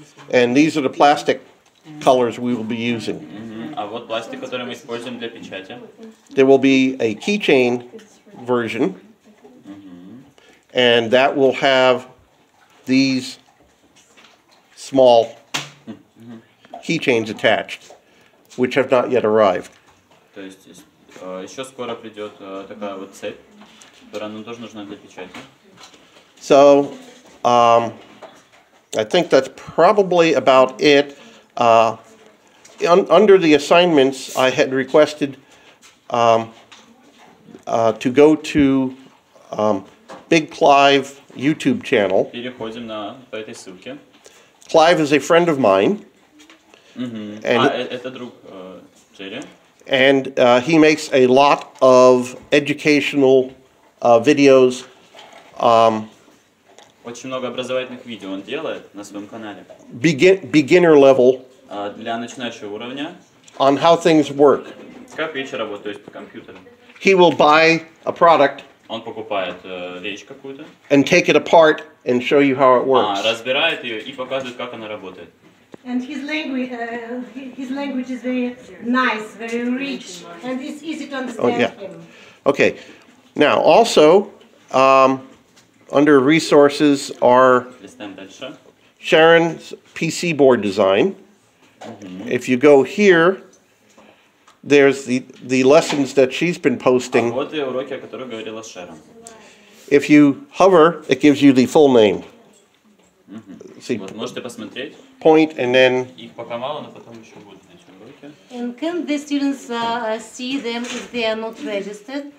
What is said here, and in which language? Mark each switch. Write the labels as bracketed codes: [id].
[en] And these are the plastic colors we will be using. [ru] А вот пластик, который мы используем для печати. [en] There will be a keychain version, and that will have these small keychains attached, which have not yet arrived. [ru] То есть еще скоро придет такая вот цепь, которая нам тоже нужна для печати. [en] So, I think that's probably about it. Under the assignments, I had requested to go to Big Clive YouTube channel. [ru] Переходим на, по этой ссылке. [en] Clive is a friend of mine. [ru] Mm-hmm. And, это друг, Джерри. [en] And he makes a lot of educational videos. [ru] Очень много образовательных видео он делает на своем канале. [en] Beginner level. [ru] Для начинающего уровня. [en] On how things work. [ru] Как вещи работают, то есть по компьютерам. [en] He will buy a product. [ru] Он покупает вещь какую-то. [en] And take it apart and show you how it works. [ru] Разбирает ее и показывает, как она работает. [en] And his language is very nice, very rich, and it's easy to understand him. Okay. Now, also, under resources are Sharon's PC board design. Mm-hmm. If you go here, there's the lessons that she's been posting. [ru] А вот и уроки, о которых говорила Шэрон. [en] If you hover, it gives you the full name. Mm-hmm. [ru] See, вот, можете посмотреть. [en] Point and then. [ru] Их пока мало, но потом еще будет на уроке. [en] And can the students see them if they are not registered?